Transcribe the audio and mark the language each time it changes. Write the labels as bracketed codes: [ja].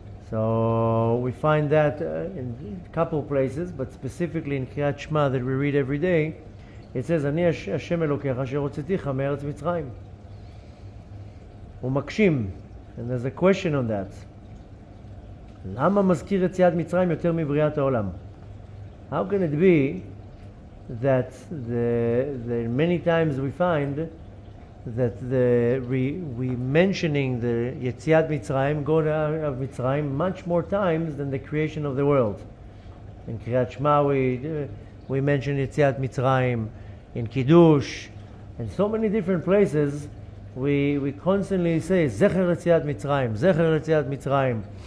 [en] So we find that in a couple places, but specifically in קריאת שמע that we read every day, it says, [he] אני השם אלוקיך אשר רציתיך מארץ מצרים. הוא מקשים, [en] and there's a question on that. [he] למה מזכיר יציאת מצרים יותר מבריאת העולם? [en] How can it be that the many times we find that we mentioning the Yetziat Mitzrayim, God of Mitzrayim, much more times than the creation of the world. In Kriyat Shema we mention Yetziat Mitzrayim, in Kiddush, in so many different places we constantly say Zecher Yetziat Mitzrayim, Zecher Yetziat Mitzrayim.